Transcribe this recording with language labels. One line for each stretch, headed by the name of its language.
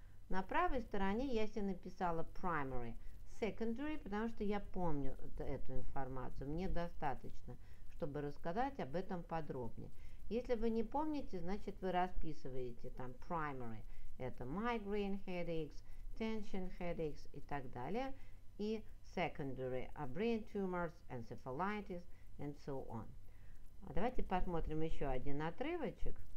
Russian: На правой стороне я себе написала primary, secondary, потому что я помню эту информацию. Мне достаточно, чтобы рассказать об этом подробнее. Если вы не помните, значит, вы расписываете там primary. Это
English: migraine headaches, tension headaches
Russian: и так далее.
English: И secondary are brain tumors, encephalitis and so on.
Russian: А давайте посмотрим еще один отрывочек.